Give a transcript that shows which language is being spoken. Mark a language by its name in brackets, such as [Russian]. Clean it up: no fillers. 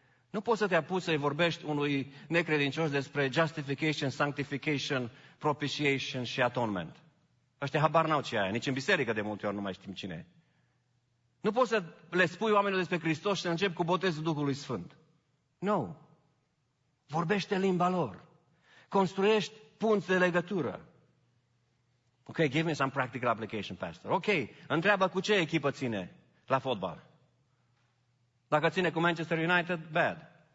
[Romanian] Nu poți să te apuci să-i vorbești unui necredincios despre justification, sanctification, propitiation și atonement. Ăștia habar n-au ce aia, nici în biserică de multe ori nu mai știm cine. Nu poți să le spui oamenilor despre Hristos și să începi cu botezul Duhului Sfânt. Nu. Vorbește limba lor. Construiești punți de legătură. [English] Ok, give me some practical application, pastor. [Romanian] Ok, întreabă cu ce echipă ține la fotbal. Dacă ține cu Manchester United, bad.